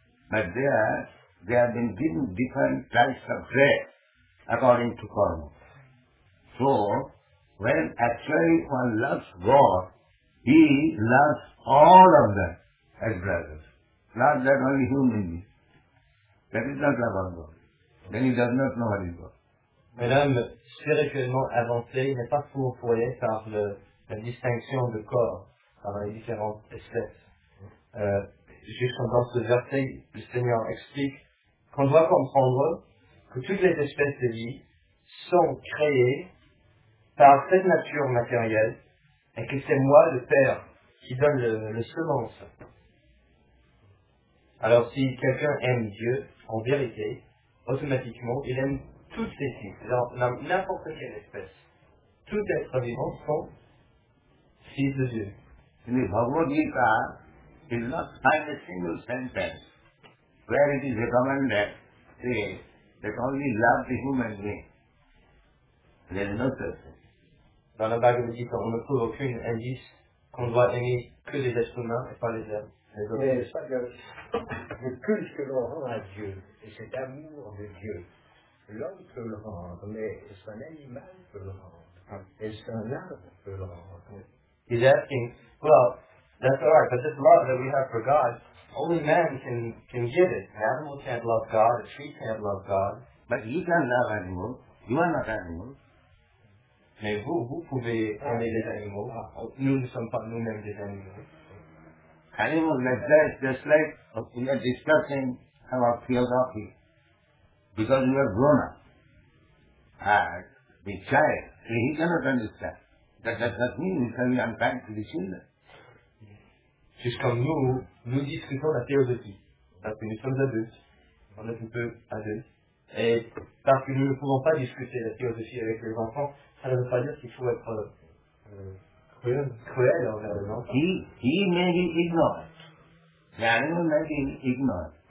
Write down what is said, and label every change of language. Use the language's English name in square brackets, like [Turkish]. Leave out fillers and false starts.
[English] But they have been given different types of grace according to karma. So, when actually one loves God, he loves all of them as brothers, not that only human beings. That is not love of God. Then he does not know what is God. [French] Mais l'homme spirituellement avancé n'est pas fourvoyé par la distinction de corps par les différentes espèces. Juste dans ce verset, le Seigneur explique qu'on doit comprendre que toutes les espèces de vie sont créées par cette nature matérielle et que c'est moi, le Père, qui donne le semence. Alors si quelqu'un aime Dieu, en vérité, automatiquement, il aime toutes les vies, alors n'importe quelle espèce. Tout être vivant sont fils de Dieu. [English] He will not find a single sentence where it is recommended that only love the human being. There is no person. [French] Dans la Bhagavad Gita, on ne trouve aucun indice qu'on doit aimer que les êtres humains et pas les hommes. Mais c'est pas que le culte que l'on rend à Dieu et cet amour de Dieu, l'homme peut le rendre, mais est-ce un animal peut le rendre? Est-ce un arbre peut le rendre? [English] He's asking, well, that's all right, but this love that we have for God, only man can give it. An animal can't love God, a tree can't love God. But you can love animals. You are not animals. [French] Mais vous pouvez aimer les animaux. Nous ne sommes pas nous-mêmes des animaux. [English] Animals like that, just like we are discussing about philosophy. Because we are grown up. And the child, he cannot understand. That does not mean he can be unkind to the children. [French] Juste comme nous discutons la théosophie, parce que nous sommes adultes, on est un peu adultes, et parce que nous ne pouvons pas discuter la théosophie avec les enfants, ça ne veut pas dire qu'il faut être cruel envers les enfants. [English] He may be ignorant. The animal may be ignorant.